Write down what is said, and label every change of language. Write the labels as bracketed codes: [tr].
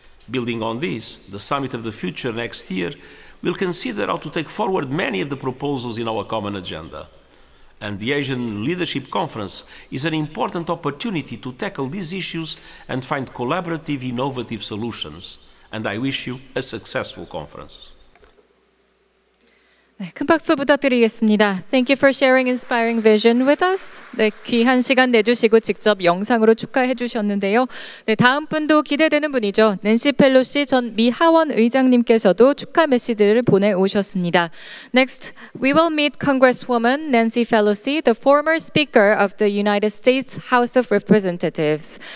[en] Building on this, the summit of the future next year will consider how to take forward many of the proposals in our common agenda. And the Asian Leadership Conference is an important opportunity to tackle these issues and find collaborative, innovative solutions. And I wish you a successful conference. [ko] 네, 큰 박수 부탁드리겠습니다. [en] Thank you for sharing inspiring vision with us. [ko] 네, 귀한 시간 내주시고 직접 영상으로 축하해 주셨는데요. 네, 다음 분도 기대되는 분이죠. 낸시 펠로시 전 미 하원 의장님께서도 축하 메시지를 보내 오셨습니다. [en] Next, we will meet Congresswoman Nancy Pelosi, the former Speaker of the United States House of Representatives.